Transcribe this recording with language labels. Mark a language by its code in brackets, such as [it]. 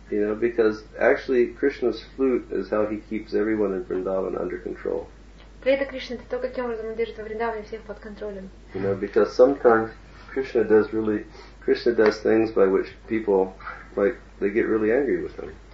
[en] You know, because actually Krishna's flute is how he keeps everyone in Vrindavan under control. [ru] Флейта Кришны это то, каким образом он держит во Вриндаване всех под контролем. [en] You know, because sometimes Krishna does really, Krishna does things by which people, like, they get really angry with him.